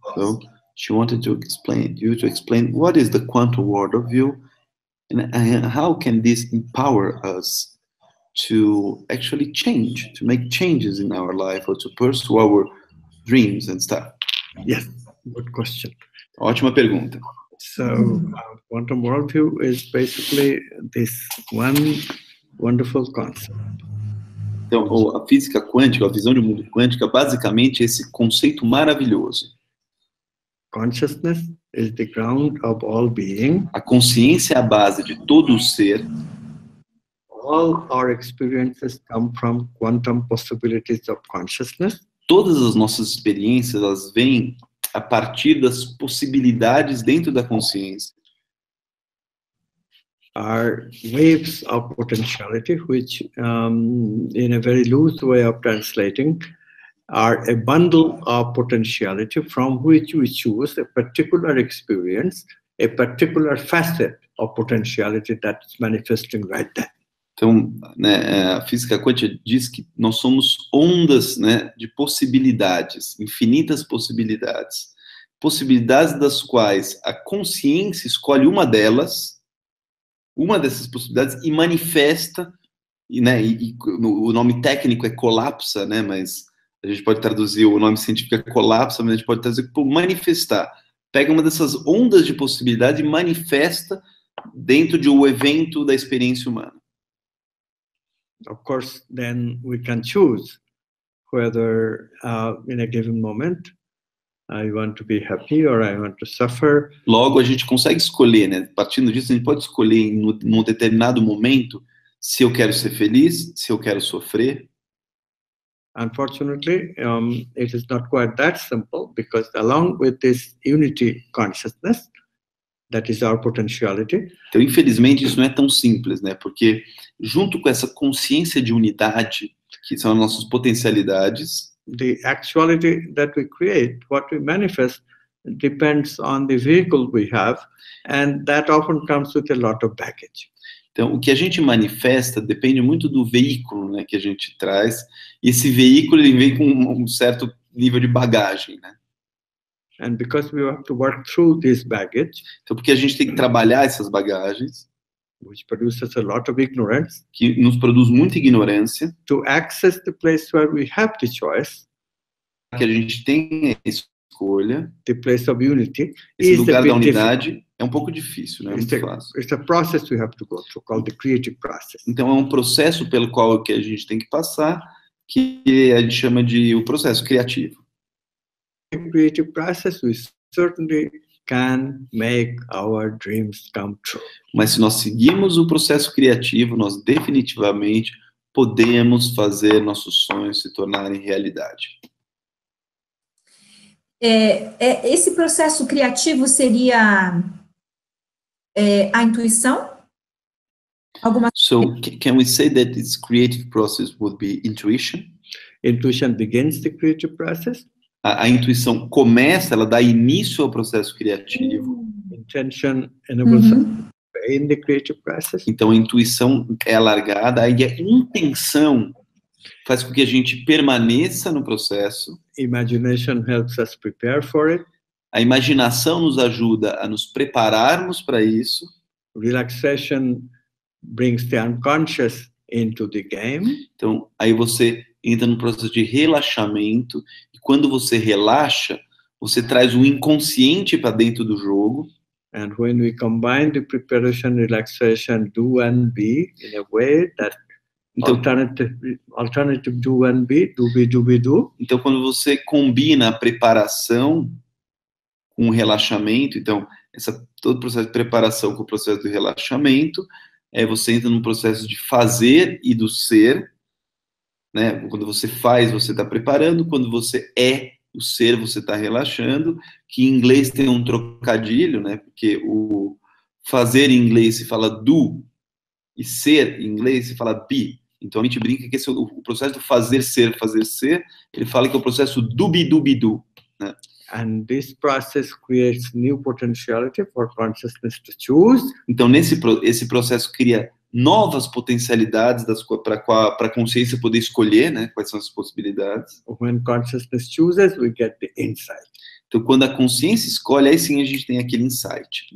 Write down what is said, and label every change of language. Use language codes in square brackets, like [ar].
[en] So she wanted to explain you to explain what is the quantum world of view, and how can this empower us to actually change, to make changes in our life or to pursue our dreams and stuff. Yes. Good question. [pt] Ótima pergunta. [en] So, quantum worldview is basically this one wonderful concept. [pt] Então, a física quântica, a visão de mundo quântica, basicamente esse conceito maravilhoso. [en] Consciousness is the ground of all being. [pt] A consciência é a base de todo o ser. [en] All our experiences come from quantum possibilities of consciousness. [pt] Todas as nossas experiências, elas vêm a partir das possibilidades dentro da consciência. [en] Are waves of potentiality, which, in a very loose way of translating, are a bundle of potentiality from which we choose a particular experience, a particular facet of potentiality that's manifesting right there. [pt] Então, né, a física quântica diz que nós somos ondas, né, de possibilidades, infinitas possibilidades. Possibilidades das quais a consciência escolhe uma delas, uma dessas possibilidades, e manifesta, e, né, e o nome técnico é colapsa, né, mas a gente pode traduzir o nome científico é colapsa, mas a gente pode traduzir por manifestar. Pega uma dessas ondas de possibilidade e manifesta dentro de um evento da experiência humana. [en] Of course, then we can choose whether in a given moment I want to be happy or I want to suffer. [pt] Logo, a gente consegue escolher, né? Partindo disso, a gente pode escolher num determinado momento se eu quero ser feliz, se eu quero sofrer. [en] Unfortunately, it is not quite that simple, because along with this unity consciousness, that is our potentiality. [pt] Então, infelizmente, isso não é tão simples, né? Porque junto com essa consciência de unidade, que são as nossas potencialidades, [en] the actuality that we create, what we manifest, depends on the vehicle we have, and that often comes with a lot of baggage. [pt] Então, o que a gente manifesta depende muito do veículo, né, que a gente traz. Esse veículo, ele vem com um certo nível de bagagem, né? [en] And because we have to work through this baggage, [pt] então, porque a gente tem que trabalhar essas bagagens, [en] which produces a lot of ignorance, [pt] que nos produz muita ignorância, [en] to access the place where we have the choice, [pt] que a gente tem a escolha, [en] the place of unity, [pt] esse lugar [en] is [pt] da unidade, [en] different. [pt] É um pouco difícil, não é muito fácil. [en] It's a process we have to go through, called the creative process. [pt] Então, é um processo pelo qual que a gente tem que passar, que a gente chama de o processo criativo. [en] The creative process, we certainly can make our dreams come true. [pt] Mas se nós seguirmos o processo criativo, nós definitivamente podemos fazer nossos sonhos se tornarem realidade. Esse processo criativo seria a intuição? Alguma... [en] So, can we say that this creative process would be intuition? Intuition begins the creative process. [pt] A intuição começa, ela dá início ao processo criativo. [en] Intention enables in the creative process. [pt] Então, a intuição é alargada, aí a intenção faz com que a gente permaneça no processo. [en] Imagination helps us prepare for it. [pt] A imaginação nos ajuda a nos prepararmos para isso. [en] Relaxation brings the unconscious into the game. [pt] Então, aí você entra no processo de relaxamento. E quando você relaxa, você traz o inconsciente para dentro do jogo. [en] And when we combine the preparation, relaxation, do and be, in a way that [pt] então, [en] alternative do and be, do be, do be, do. [pt] Então, quando você combina a preparação com o relaxamento, então, todo o processo de preparação com o processo de relaxamento, você entra num processo de fazer e do ser, né? Quando você faz, você está preparando, quando você é, o ser, você está relaxando, que em inglês tem um trocadilho, né? Porque o fazer em inglês se fala do, e ser em inglês se fala be. Então a gente brinca que esse é o processo do fazer ser, ele fala que é o processo do-be-do-be-do, né? [en] And this process creates new potentiality for consciousness to choose. [pt] Então, esse processo cria novas potencialidades para a consciência poder escolher, né, quais são as possibilidades. [en] When consciousness chooses, we get the insight. [pt] Então, quando a consciência escolhe, aí sim a gente tem aquele insight.